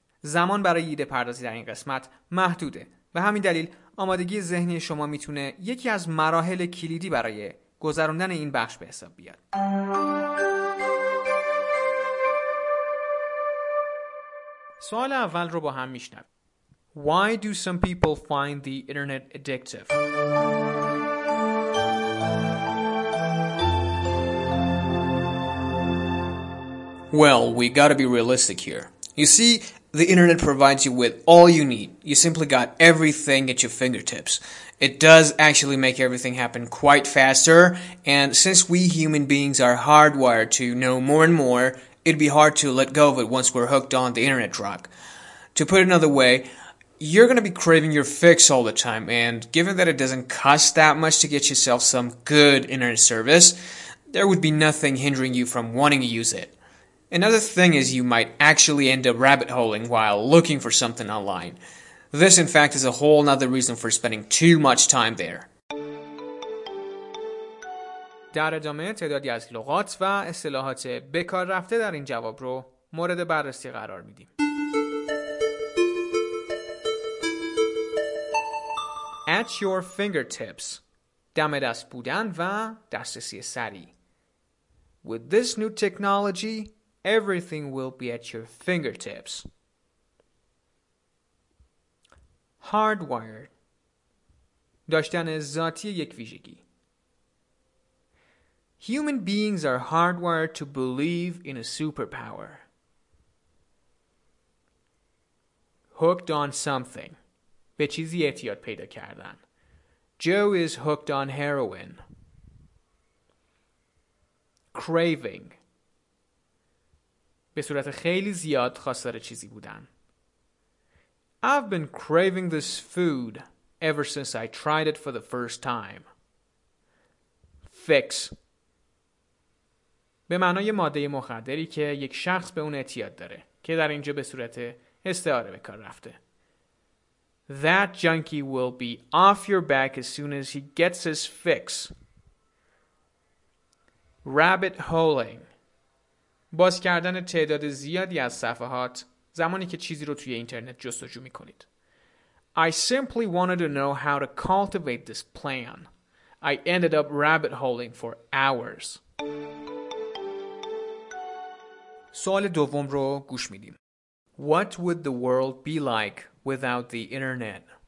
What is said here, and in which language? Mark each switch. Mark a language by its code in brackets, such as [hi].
[fa] زمان برای ایده پردازی در این قسمت محدوده. به همین دلیل آمادگی ذهنی شما میتونه یکی از مراحل کلیدی برای گذروندن این بخش به حساب بیاد. سوال اول رو با هم میشنویم. [en] Why do some people find the internet addictive? Well, we gotta be realistic here. You see, the internet provides you with all you need. You simply got everything at your fingertips. It does actually make everything happen quite faster, and since we human beings are hardwired to know more and more, it'd be hard to let go of it once we're hooked on the internet drug. To put it another way, you're going to be craving your fix all the time, and given that it doesn't cost that much to get yourself some good internet service, there would be nothing hindering you from wanting to use it. Another thing is you might actually end up rabbit-holing while looking for something online. This, in fact, is a whole nother reason for spending too much time there. [fa] در ادامه تعدادی از لغات و اصطلاحات بکار رفته در این جواب رو مورد بررسی قرار میدیم. [en] At your fingertips. [fa] دم دست بودن و دسترسی سریع. [en] With this new technology, everything will be at your fingertips. [fa] Hardwired. داشتن ذاتی یک ویژگی. [en] Human beings are hardwired to believe in a superpower. Hooked on something. [fa] به چیزی اعتیاد پیدا کردن. [en] Joe is hooked on heroin. Craving. [fa] به صورت خیلی زیاد خواستار چیزی بودن. [en] I've been craving this food ever since I tried it for the first time. Fix. [fa] به معنای ماده مخدری که یک شخص به اون اعتیاد داره که در اینجا به صورت استعاره به کار رفته. [en] That junkie will be off your back as soon as he gets his fix. Rabbit holing. [fa] باز کردن تعداد زیادی از صفحات زمانی که چیزی رو توی اینترنت جستجو میکنید. [en] I simply wanted to know how to cultivate this plan. I ended up rabbit holing for hours. [fa] سوال دوم رو گوش میدیم. [en] What would the world be like without the internet?